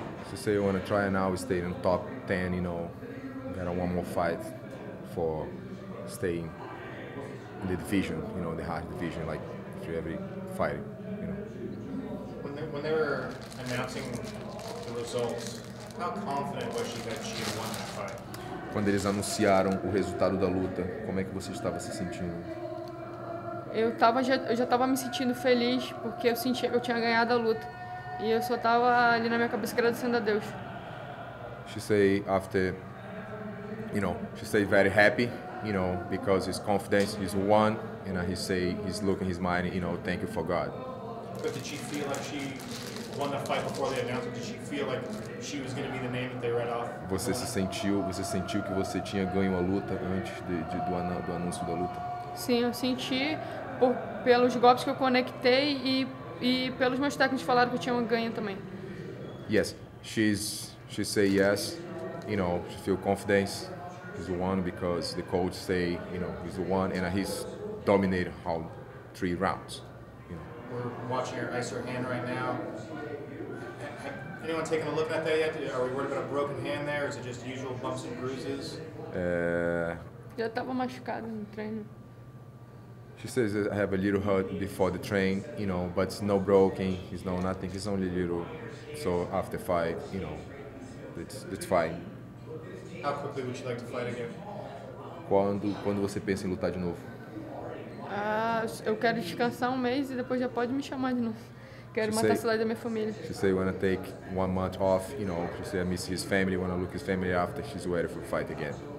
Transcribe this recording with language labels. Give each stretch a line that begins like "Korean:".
English: So say you want to try now, stay in top 10, you know, get one more fight for staying in the division, you know, the hard division, like if you ever fight, you know. When they were announcing the results, how confident was she that she had won that fight?
Portuguese: Quando eles anunciaram o resultado da luta, como é que você estava se sentindo? Eu já estava me sentindo feliz porque eu sentia que eu tinha ganhado a luta. E eu só tava ali na minha cabeça agradecendo a Deus.
English: She say after, you know, she say very happy, you know, because his confidence is one, and he say he's looking his mind, you know, thank you for God. But did she feel like she won the fight before they announced it? Did she feel like she was going to be the name that they read off?
Portuguese: Você sentiu que você tinha ganho a luta antes do anúncio da luta? Sim, eu senti pelos golpes que eu conectei e pelos meus técnicos falaram que eu tinha um ganho também.
English: Yes, she say yes, you know, she feel confidence, he's the one because the coach say, you know, he's the one and he's dominated all three rounds. You know. We're watching her ice her hand right now. Anyone taking a look at that yet? Are we worried about a broken hand there? Is it just usual bumps and bruises?
Portuguese: Já estava machucado no treino.
English: She says I have a little hurt before the train, you know, but it's no broken, it's no nothing, it's only a little. So after fight, you know, it's fine. How quickly would you like to fight again?
Portuguese: Quando você pensa em lutar de novo? Eu quero descansar mês e depois já pode me chamar de novo. Quero matar a saudade da minha família.
English: She say you want to take 1 month off, you know, she say I miss his family, want to look his family after, she's ready for fight again.